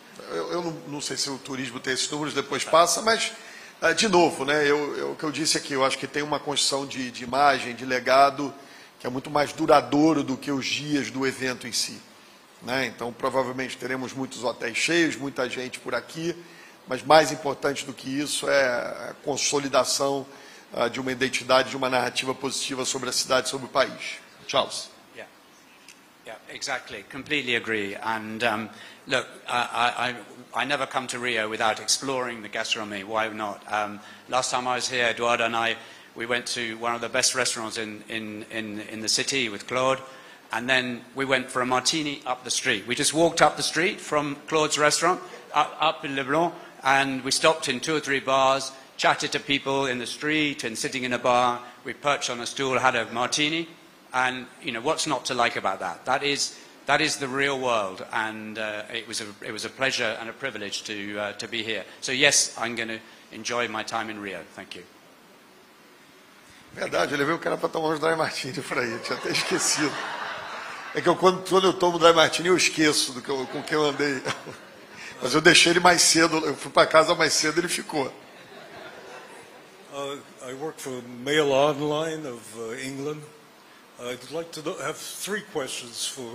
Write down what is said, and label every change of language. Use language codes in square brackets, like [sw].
[pt] Eu não sei se o turismo tem esses números, depois passa, mas, de novo, né, o que eu disse aqui, eu acho que tem uma construção de imagem, de legado, que é muito mais duradouro do que os dias do evento em si. Né? Então, provavelmente, teremos muitos hotéis cheios, muita gente por aqui, mas mais importante do que isso é a consolidação de uma identidade, de uma narrativa positiva sobre a cidade, sobre o país. Charles. [en] Exactly. Completely agree. And look, I never come to Rio without exploring the gastronomy. Why not? Last time I was here, Eduardo and I, we went to one of the best restaurants in the city with Claude. And then we went for a martini up the street. We just walked up the street from Claude's restaurant up in Leblon. And we stopped in two or three bars, chatted to people in the street and sitting in a bar. We perched on a stool, had a martini. And, you know, what's not to like about that? That is the real world, and it was a pleasure and a privilege to be here. So, yes, I'm going to enjoy my time in Rio. Thank you. [pt] Verdade, eu levei o cara para tomar um dry martini por aí, eu tinha até esquecido. É que quando eu tomo dry martini, eu esqueço com quem eu andei. Mas eu deixei ele mais cedo, eu fui para casa mais cedo e ele ficou. [en] I work for Mail Online of England. I'd like to have three questions for...